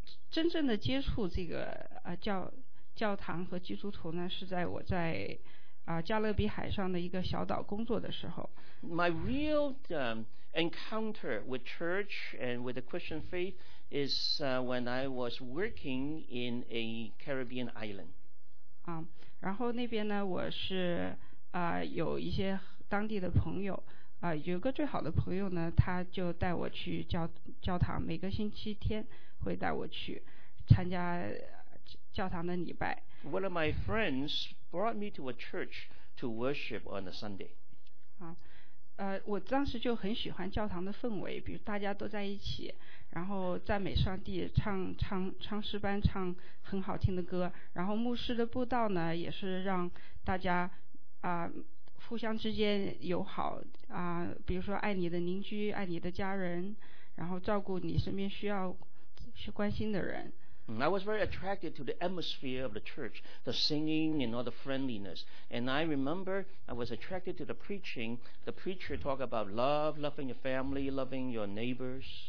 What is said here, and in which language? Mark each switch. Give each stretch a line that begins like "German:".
Chinese: 真正的接触这个教堂和基督徒呢，是在我在加勒比海上的一个小岛工作的时候。
English: My real encounter with church and with the Christian faith is when I was working in a Caribbean island.
Chinese: 然后那边呢，我是有一些当地的朋友，有一个最好的朋友呢，他就带我去教堂，每个星期天会带我去参加。教堂的礼拜。
English: One of my friends brought me to a church to worship on a Sunday.
Chinese: 我当时就很喜欢教堂的氛围，比如大家都在一起，然后赞美上帝，唱诗班，唱很好听的歌，然后牧师的布道呢，也是让大家互相之间友好比如说爱你的邻居，爱你的家人，然后照顾你身边需要关心的人。
English: I was very attracted to the atmosphere of the church, the singing and all the friendliness. And I remember I was attracted to the preaching. The preacher talked about love, loving your family, loving your neighbors.